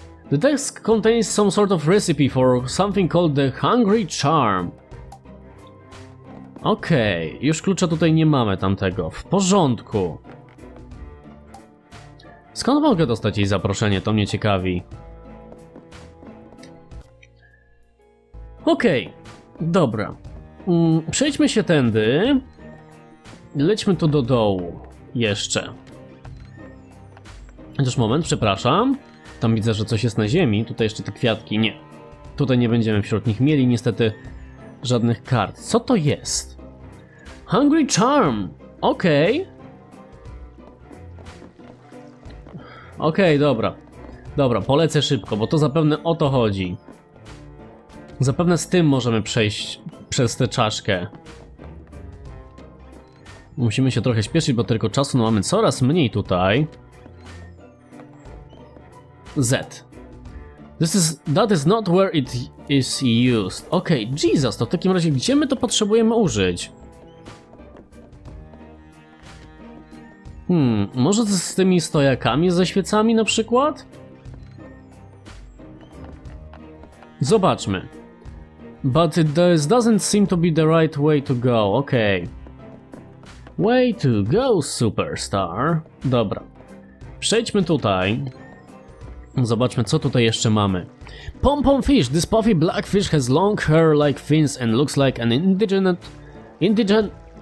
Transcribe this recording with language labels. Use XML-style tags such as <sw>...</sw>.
<en>The desk contains some sort of recipe for something called the Hungry Charm.</en> <pl>Okej, okay, już klucza tutaj nie mamy tamtego. W porządku. Skąd mogę dostać jej zaproszenie? To mnie ciekawi. Okej, okay, dobra. Przejdźmy się tędy. Lećmy tu do dołu. Jeszcze. Chociaż moment, przepraszam. Tam widzę, że coś jest na ziemi. Tutaj jeszcze te kwiatki. Nie. Tutaj nie będziemy wśród nich mieli niestety żadnych kart. Co to jest? Hungry Charm. Okej. Okay. Okej, okay, dobra. Dobra, polecę szybko, bo to zapewne o to chodzi. Zapewne z tym możemy przejść przez tę czaszkę. Musimy się trochę śpieszyć, bo tylko czasu no mamy coraz mniej tutaj. Z.</pl> <en>That is not where it is used.</en> <pl>Okej, okay, Jesus, to w takim razie gdzie my to potrzebujemy użyć? Może z tymi stojakami ze świecami na przykład? Zobaczmy.</pl> <en>But it doesn't seem to be the right way to go, okej. Way to go, superstar.</en> <pl>Dobra. Przejdźmy tutaj. Zobaczmy, co tutaj jeszcze mamy.</pl> <en>Pom-pom fish. This puffy black fish has long hair-like fins and looks like an indigent.</en>